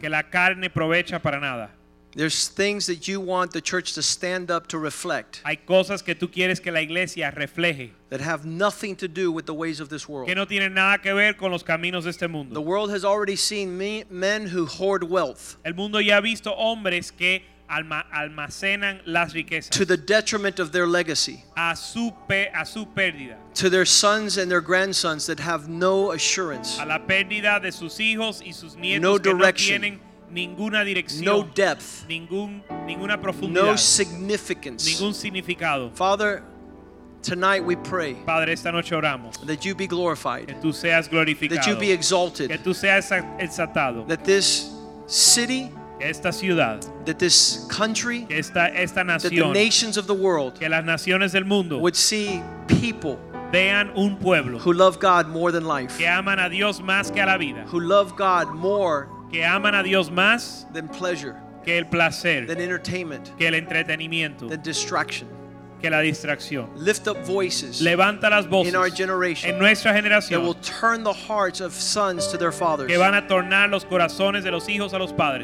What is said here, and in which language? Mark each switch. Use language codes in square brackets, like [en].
[es] Que la carne aprovecha para nada. [en] There's things that you want the church to stand up to reflect. [es] Hay cosas que tú quieres que la iglesia refleje. [en] That have nothing to do with the ways of this world. [es] Que no tienen nada que ver con los caminos de este mundo. [en] The world has already seen men who hoard wealth. [es] El mundo ya ha visto hombres que almacenan las riquezas. [en] To the detriment of their legacy. [es] A su pérdida. [en] To their sons and their grandsons that have no assurance. [es] A la pérdida de sus hijos y sus nietos. [en] No [es] que [en] direction. [es] No tienen ninguna dirección, [en] no depth, [es] ninguna profundidad, [en] no significance, [es] ningún significado. [en] Father, tonight we pray, [es] Padre, esta noche oramos, [en] that you be glorified, [es] que tú seas glorificado, [en] that you be exalted, [es] que tú seas exaltado, [en] that this city, [es] esta ciudad, [en] that this country, [es] esta nación, [en] that the nations of the world, [es] que las naciones del mundo, [en] would see people, [es] vean un pueblo, [en] who love God more than life, [es] que aman a Dios más que a la vida, [en] who love God more. [es] Que aman a Dios más [en] than pleasure, [es] que el placer, [en] than entertainment, [es] que el entretenimiento, [en] than distraction, [es] que la distracción. [en] Lift up voices, [es] levanta las voces, [en] in our generation, [es] en nuestra generación, [en] that will turn the hearts of sons to their fathers, [es] que van a tornar los corazones de los hijos a los padres,